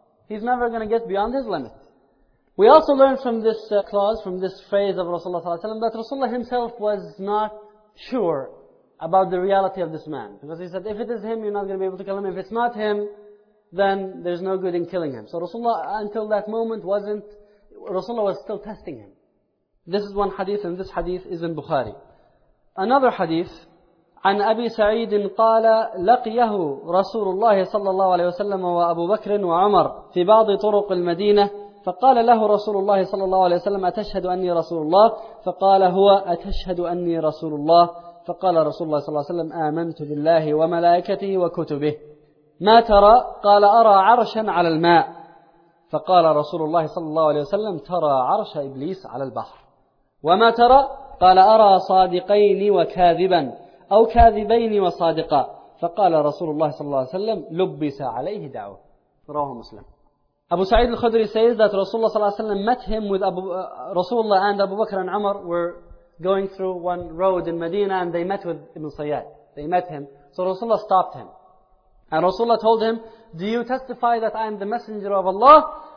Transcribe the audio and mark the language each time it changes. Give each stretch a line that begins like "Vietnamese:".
English: He's never going to get beyond his limit. We also learn from this clause, from this phrase of Rasulullah sallallahu alayhi wa sallam, that Rasulullah himself was not sure about the reality of this man. Because he said, if it is him, you're not going to be able to kill him. If it's not him, then there's no good in killing him. So Rasulullah, until that moment, Rasulullah was still testing him. This is one hadith, and this hadith is in Bukhari.
Arabic: Another hadith, عن أبي سعيد قال لقيه رسول الله صلى الله عليه وسلم وأبو بكر وعمر في بعض طرق المدينة فقال له رسول الله صلى الله عليه وسلم أتشهد أني رسول الله فقال هو أتشهد أني رسول الله فقال رسول الله صلى الله عليه وسلم آمنت بالله وملائكته وكتبه ما ترى قال أرى عرشا على الماء فقال رسول الله صلى الله عليه وسلم ترى عرش إبليس على البحر وما ترى قال أرى صادقين وكاذبا أو كاذبين وصادقا فقال رسول الله صلى الله عليه وسلم لبس عليه دعوة رواه مسلم.
English: Abu Sa'id al-Khudri says that Rasulullah صلى الله عليه وسلم met him with Rasulullah and Abu Bakr and Umar were going through one road in Medina and they met with Ibn Sayyad. They met him. So Rasulullah stopped him. And Rasulullah told him, Do you testify that I am the messenger of Allah?